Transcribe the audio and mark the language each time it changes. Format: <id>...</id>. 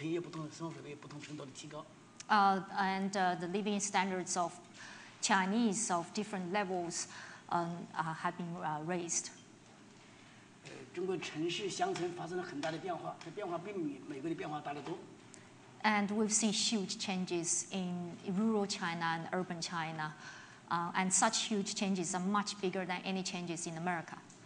<zh>不同阶层的人的水平也不同，生活水平也不同程度的提高。</zh> <en>The living standards of Chinese of different levels have been raised.</en> <zh>中国城市乡村发生了很大的变化，这变化并没美国的变化大得多。</zh> <en>And we've seen huge changes in rural China and urban China, and such huge changes are much bigger than any changes in America.</en>